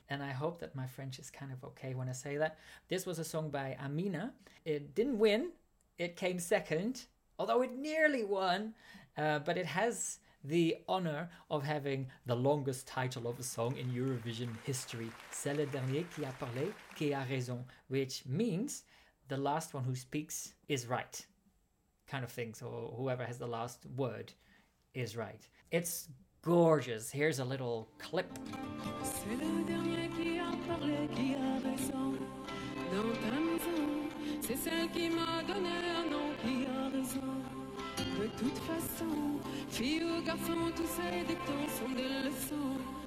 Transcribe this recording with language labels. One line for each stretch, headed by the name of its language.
English: And I hope that my French is kind of okay when I say that. This was a song by Amina. It didn't win. It came second, although it nearly won. But it has the honor of having the longest title of a song in Eurovision history.
French: C'est le dernier qui a parlé qui a raison.
English: Which means the last one who speaks is right, kind of thing. So whoever has the last word is right. It's gorgeous. Here's a little clip.
French: C'est le dernier qui a parlé, qui a raison. Dans ta maison, c'est celle qui m'a donné un nom, qui a raison. De toute façon, fille ou garçon, tous ces dictons sont des leçons.